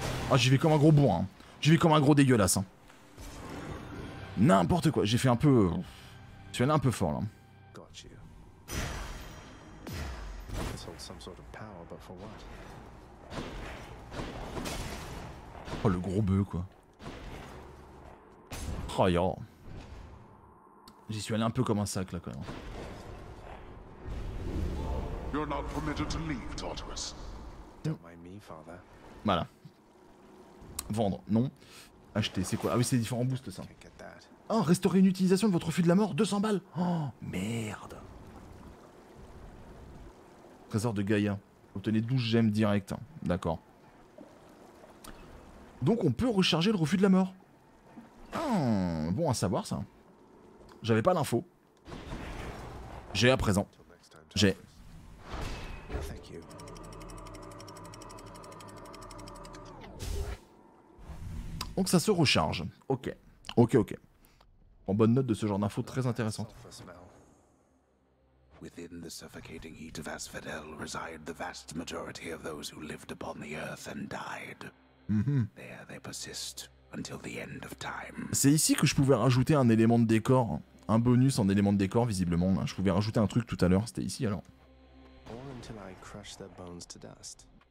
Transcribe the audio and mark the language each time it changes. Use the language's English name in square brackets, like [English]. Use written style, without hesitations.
[French] Ah, j'y vais comme un gros bourrin. Hein. J'y vais comme un gros dégueulasse. Hein. N'importe quoi, j'ai fait un peu... Tu es un peu fort là. [English] Got you. This holds some sort of power, but for what? [French] Oh le gros bœuf quoi. Oh, yo. J'y suis allé un peu comme un sac là quand même. [English] You're not permitted to leave, Tartarus. Don't mind me, father. [French] Voilà. Vendre, non. Acheter, c'est quoi? Ah oui, c'est différents boosts ça. Oh, restaurer une utilisation de votre refus de la mort, 200 balles. Oh, merde. Trésor de Gaïa. Obtenez 12 gemmes direct. D'accord. Donc on peut recharger le refus de la mort. Oh, bon à savoir ça. J'avais pas l'info. J'ai à présent. J'ai. Donc ça se recharge. Ok. Ok, ok. En bonne note de ce genre d'infos très intéressante. [English] Within the suffocating heat of Asphodel reside the vast majority of those who lived upon the earth and died. Mm-hmm. There they persist until the end of time. [French] C'est ici que je pouvais rajouter un élément de décor, un bonus en élément de décor visiblement. Je pouvais rajouter un truc tout à l'heure, c'était ici alors. [English] Or until I crush their bones to dust.